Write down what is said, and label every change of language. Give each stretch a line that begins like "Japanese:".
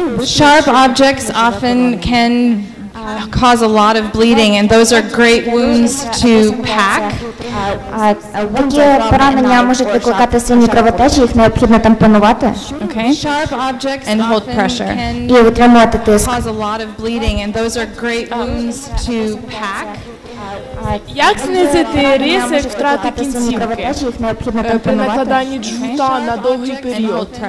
English: Sharp objects often can cause a lot of bleeding, and those are great wounds to pack.
Ukrainian: Такі поранення можуть викликати сильні кровотечі, їх необхідно тампонувати.
English: Okay. Sharp objects and hold pressure.
Ukrainian: І витримувати тиск.
English: Cause a lot of bleeding, and those are great wounds to pack.
Ukrainian: Як знизити ризик втрати кінцівки при накладанні джгута на довгий період?